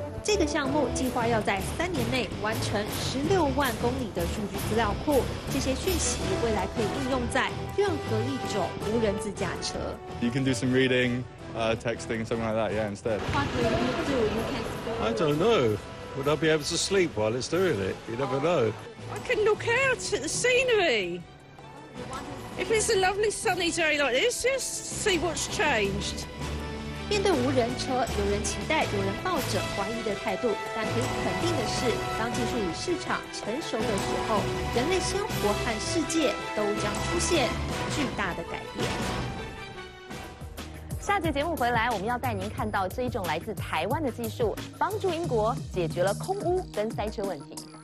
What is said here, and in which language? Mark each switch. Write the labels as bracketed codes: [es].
[zh] 这个项目计划要在三年内完成16万公里的数据资料库，这些讯息未来可以应用在任何一种无人自驾车。 [en] You can do some reading, texting, something like that, yeah, instead. What will you do? You can't. I don't know. Would I be able to sleep while it's doing it? You never know. I can look out at the scenery. If it's a lovely sunny day like this, just see what's changed. [zh] 面对无人车，有人期待，有人抱着怀疑的态度。但可以肯定的是，当技术与市场成熟的时候，人类生活和世界都将出现巨大的改变。下集节目回来，我们要带您看到这一种来自台湾的技术，帮助英国解决了空污跟塞车问题。